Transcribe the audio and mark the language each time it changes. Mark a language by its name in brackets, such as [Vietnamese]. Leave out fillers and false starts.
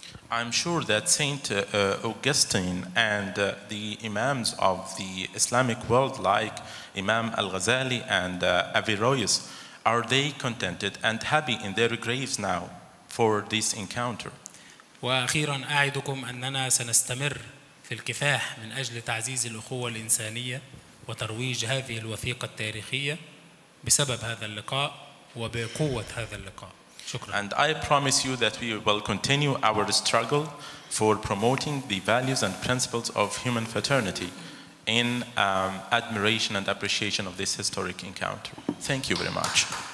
[English] I'm sure that Saint Augustine and the Imams of the Islamic world like Imam Al-Ghazali and Averroes are they contented and happy in their graves now for this encounter. [Arabic] وأخيرا أعدكم أننا سنستمر في الكفاح من أجل تعزيز الأخوة الإنسانية وترويج هذه الوثيقة التاريخية بسبب هذا اللقاء وبقوة هذا اللقاء. شكرا. [English] And I promise you that we will continue our struggle for promoting the values and principles of human fraternity in admiration and appreciation of this historic encounter. Thank you very much.